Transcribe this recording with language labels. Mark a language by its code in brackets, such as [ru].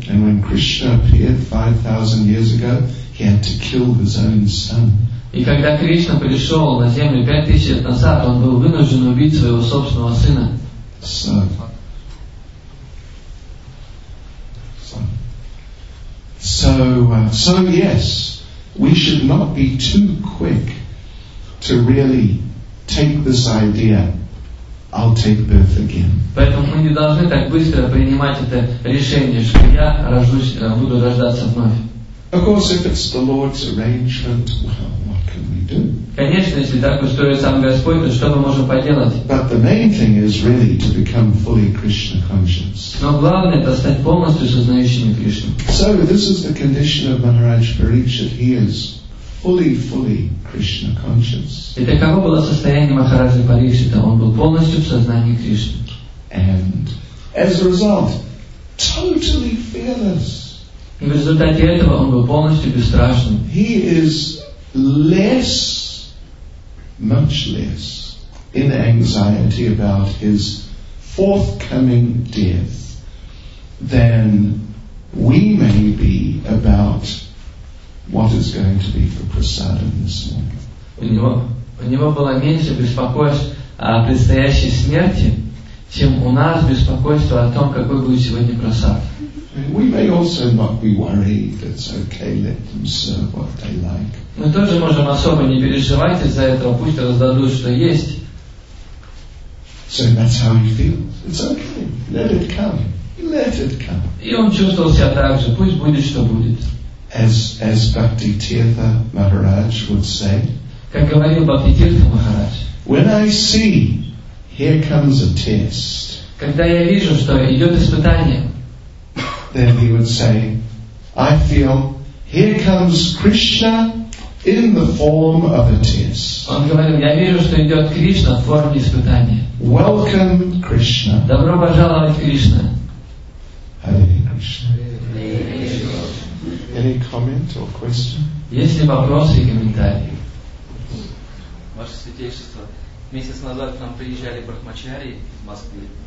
[en] And when Krishna appeared 5,000 years ago, he had to kill his own son. [ru] И когда Кришна пришел на землю 5,000 лет назад, он был вынужден убить своего собственного сына. [en] So, yes. We should not be too quick to really take this idea, I'll take birth again. [ru] Поэтому мы не должны так быстро принимать это решение, что я буду рождаться вновь. [en] Of course, if it's the Lord's arrangement, well, what can we do? [ru] Конечно, если так устроит сам Господь, то что мы можем поделать? [en] But the main thing is really to become fully Krishna conscious. [ru] Но главное это стать полностью сознающим Кришну. [en] So this is the condition of Maharaj Parikshit. He is fully, fully Krishna conscious. [ru] И таково было состояние Махараджи Парикшита. Он был полностью в сознании Кришны. [en] And as a result, totally fearless. [ru] И в результате этого он был полностью бесстрашным. [en] He is less, much less, in anxiety about his forthcoming death than we may be about what is going to be for prasadam this morning. [ru] У него было меньше беспокойства о предстоящей смерти, чем у нас беспокойство о том, какой будет сегодня прасад. [en] We may all also not be worried, it's okay, let them serve what they like. [ru] Мы тоже можем особо не переживать из-за этого, пусть раздадут, что есть. [en] So that's how he feels. It's okay. Let it come. Let it come. [ru] И он чувствовал себя так же. Пусть будет, что будет. [en] As Bhakti Tirtha Maharaj would say, [ru] как говорил Бхакти Тирта Махарадж, [en] when I see, here comes a test, [ru] когда я вижу, что идет испытание, [en] then he would say, I feel, here comes Krishna in the form of a test. [ru] Он говорил, я вижу, что идет Кришна в форме испытания. [en] Welcome, Krishna. [ru] Добро пожаловать, Кришна. [en] Hare Krishna. Any comment or question? [ru] Есть ли вопросы и комментарии? Ваше святейшество, месяц назад к нам приезжали брахмачари из Москвы.